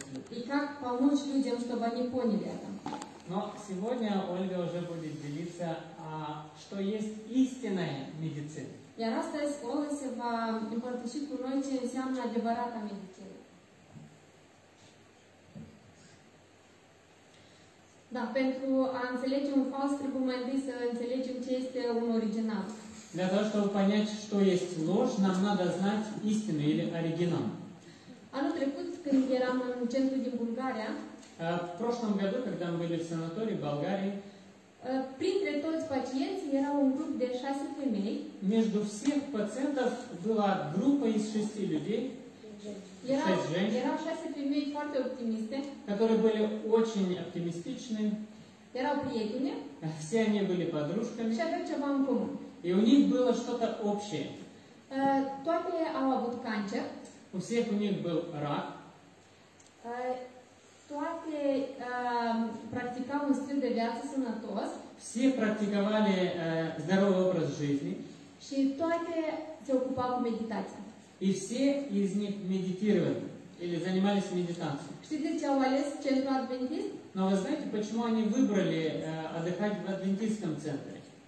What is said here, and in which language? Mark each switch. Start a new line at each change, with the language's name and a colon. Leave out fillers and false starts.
Russian: И как помочь людям, чтобы они поняли это? Но сегодня Ольга уже будет делиться, что есть истинная медицина. Я раз то есть Олеся в импортащику ройте зямна дебарата медицина.
Romanian: Да, pentru a înțelege un fals, trebuie mai întâi să înțelegem ce este un original.
Russian: Для того, чтобы понять, что есть ложь, нам надо знать истину или оригинал.
Romanian: Anul trecut, când eram în centru din Bulgaria,
Russian: в прошлом году, когда мы были в санатории в Болгарии,
Romanian: printre toți pacienți era un grup de 6 femei.
Russian: Между всех пациентов была группа из 6 людей.
Romanian: Era 6 femei foarte optimiste.
Russian: Care были очень оптимистичны.
Romanian: Erau prietene.
Russian: Все они были подружками.
Romanian: Și aveau ceva în comun.
Russian: И у них было что-то общее.
Romanian: Toate au avut cancer.
Russian: У всех у них был рак.
Romanian: Toate practicau un stil de viață sănătos.
Russian: Все практиковали здоровый образ жизни.
Romanian: Și toate se ocupau cu meditația.
Russian: И все из них медитировали или занимались медитацией. Но вы знаете, почему они выбрали отдыхать в адвентистском центре?